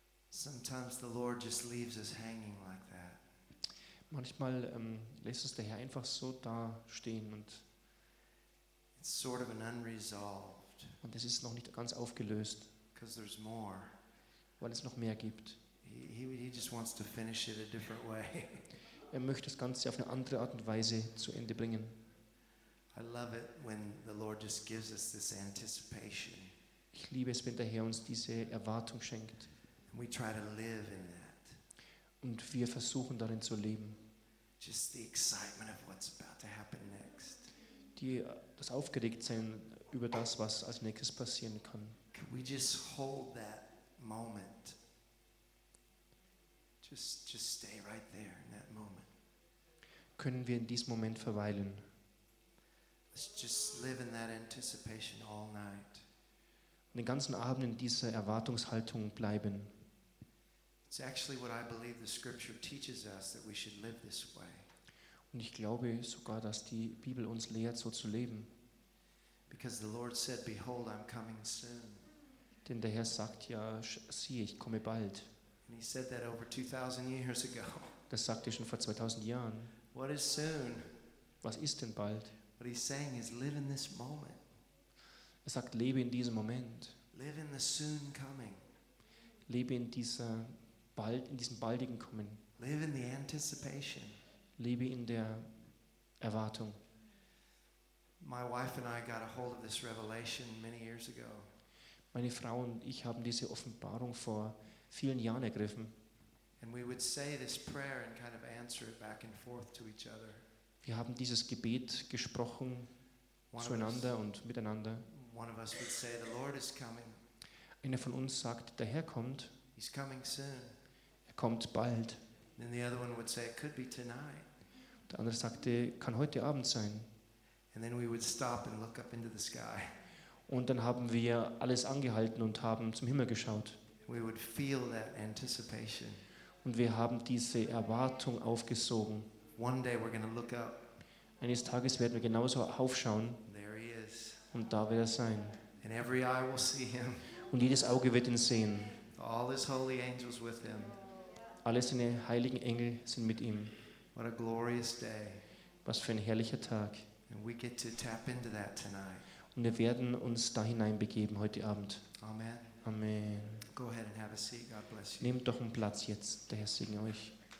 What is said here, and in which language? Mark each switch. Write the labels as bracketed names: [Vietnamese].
[English] Sometimes the Lord just leaves us hanging like that. [German] Manchmal lässt es der Herr einfach so da stehen und [English] it's sort of an unresolved. [German] Und es ist noch nicht ganz aufgelöst. [English] Because there's more. [German] Weil es noch mehr gibt. [English] He just wants to finish it a different way. [German] Er möchte das Ganze auf eine andere Art und Weise zu Ende bringen. [English] I love it when the Lord just gives us this anticipation. [German] Ich liebe es, wenn der Herr uns diese Erwartung schenkt. [English] And we try to live in that. [German] Und wir versuchen darin zu leben. [English] Just the excitement of what's about to happen next. [German] Das Aufgeregtsein über das, was als nächstes passieren kann. [English] Can we just hold that moment? Just stay right there in that moment. [German] Können wir in diesem Moment verweilen? [English] Let's just live in that anticipation all night. [German] Und den ganzen Abend in dieser Erwartungshaltung bleiben. [English] It's actually what I believe the scripture teaches us that we should live this way. [German] Und ich glaube sogar, dass die Bibel uns lehrt, so zu leben. [English] Because the Lord said, "Behold, I'm coming soon." [German] Denn der Herr sagt ja, siehe, ich komme bald. [English] And he said that over 2,000 years ago. [German] Das sagte er schon vor 2,000 Jahren. [English] What is soon? [German] Was ist denn bald? [English] What he's saying is live in this moment. [German] Er sagt, lebe in diesem Moment. [English] Live in the soon coming. [German] Lebe in dieser bald, in diesem baldigen Kommen. [English] Live in the anticipation. [German] Lebe in der Erwartung. [English] My wife and I got a hold of this revelation many years ago. [German] Meine Frau und ich haben diese Offenbarung vor vielen Jahren ergriffen. [English] And we would say this prayer and kind of answer it back and forth to each other. [German] Wir haben dieses Gebet gesprochen zueinander und miteinander. [English] One of us would say, "The Lord is coming." [German] Einer von uns sagt, der Herr kommt. [English] He's coming soon. [German] Er kommt bald. [English] Then the other one would say, "It could be tonight." [German] Der andere sagte, kann heute Abend sein. [English] And then we would stop and look up into the sky. [German] Und dann haben wir alles angehalten und haben zum Himmel geschaut. [English] We would feel that anticipation. [German] Und wir haben diese Erwartung aufgesogen. [English] One day we're going to look up. [German] Eines Tages werden wir genauso aufschauen. [English] There he is. [German] Und da wird er sein. [English] And every eye will see him. [German] Und jedes Auge wird ihn sehen. [English] All his holy angels with him. [German] Alle seine heiligen Engel sind mit ihm. [English] What a glorious day. [German] Was für ein herrlicher Tag. [English] And we get to tap into that tonight. [German] Und wir werden uns da hineinbegeben heute Abend. [English] Amen. [German] Amen. [English] Go ahead and have a seat. God bless you. [German] Nehmt doch einen Platz jetzt. Der Herr segne euch.